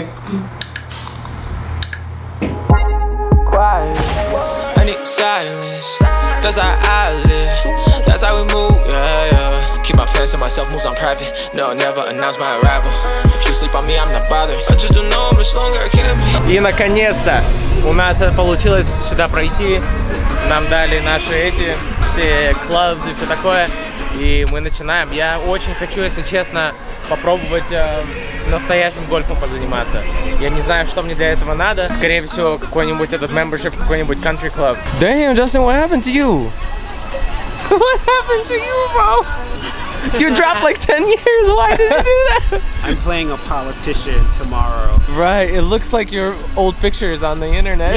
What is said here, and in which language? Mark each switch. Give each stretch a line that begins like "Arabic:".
English: I need silence. That's how I live. That's how we move. Yeah, yeah. Keep my plans to myself. Moves on private. No, never announce my arrival. If you sleep on me, I'm not bothered. I just don't know how much longer I can be.
Russian: И наконец-то у нас это получилось сюда пройти. Нам дали наши эти все клубы и все такое. И мы начинаем. Я очень хочу, если честно, попробовать настоящим гольфом позаниматься. Я не знаю, что мне для этого надо. Скорее всего, какой-нибудь этот membership, какой-нибудь country club.
English: Damn, Justin, what happened to you? What happened to you, bro? You dropped like 10 years. Why did you do that? I'm playing a politician tomorrow. Right, it looks like your old pictures on the internet,